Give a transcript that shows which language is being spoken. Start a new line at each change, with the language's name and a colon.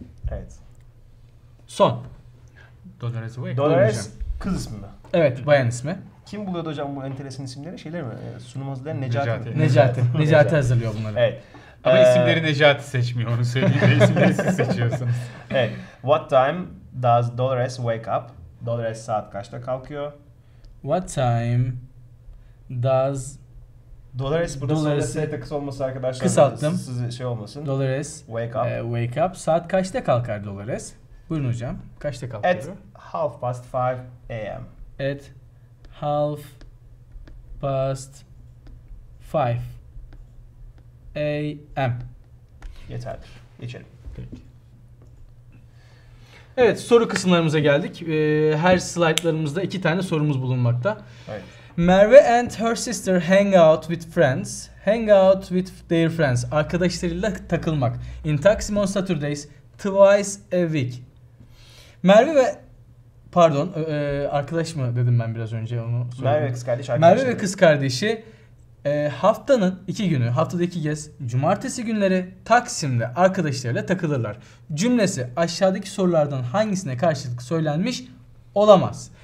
Turkish: Evet. Son. Dolores Way. Dolores kız ismi mi? Evet, bayan ismi. Kim buluyordu hocam bu enteresan isimleri? Şeyler mi? Sunum hazırlayan Necati. Necati. Necati hazırlıyor bunları. Evet. Ama isimleri Necati seçmiyor, onu söyleyeyim de isimleri siz seçiyorsunuz. Evet.
English: What time does Dolores wake up?
Turkish: Dolores saat kaçta kalkıyor?
English: What time does
Turkish: Dolores, burada Dolores'i de kısa olması arkadaşlar. Kısalttım. Size şey olmasın. Dolores
English: wake up. Wake up.
Turkish: Saat kaçta kalkar Dolores? Buyurun hocam. Kaçta kalkıyor?
English: At 5:30 AM. At 5:30 AM.
Turkish: Yeterdir. Geçelim. Peki. Evet, soru kısımlarımıza geldik. Her slaytlarımızda iki tane sorumuz bulunmakta. Evet.
English: Merve and her sister hang out with friends. Hang out with their friends.
Turkish: Arkadaşlarıyla takılmak.
English: In Taksim on Saturdays twice a week.
Turkish: Merve ve pardon, arkadaş mı dedim ben biraz önce onu sordum. Merve ve kız kardeşi. Merve ve kız kardeşi haftanın iki günü, haftada iki kez cumartesi günleri Taksim'de arkadaşlarıyla takılırlar. Cümlesi aşağıdaki sorulardan hangisine karşılık söylenmiş olamaz.